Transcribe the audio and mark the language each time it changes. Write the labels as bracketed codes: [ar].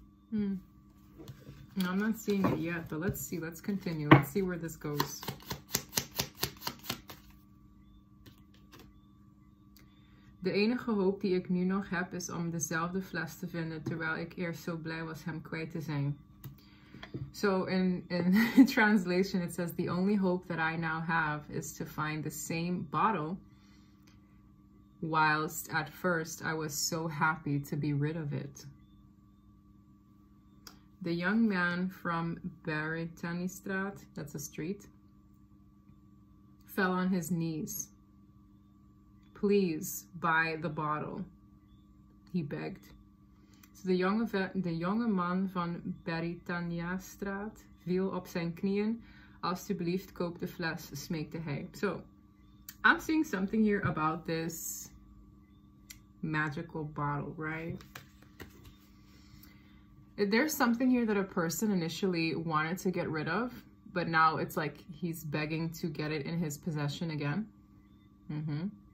[en] Hmm. No, I'm not seeing it yet, but let's see. Let's continue. Let's see where this goes. [nl] De enige hoop die ik nu nog heb is om dezelfde fles te vinden terwijl ik eerst zo blij was hem kwijt te zijn. [en] So in translation it says the only hope that I now have is to find the same bottle whilst at first I was so happy to be rid of it. The young man from Beritanistraat, that's a street, fell on his knees. Please buy the bottle, he begged. So the [nl] jonge man van Beritanistraat viel op zijn knieën. Alsjeblieft, koop de fles, smeekte hij. [en] So I'm seeing something here about this magical bottle, right? There's something here that a person initially wanted to get rid of, but now it's like he's begging to get it in his possession again. Mm-hmm.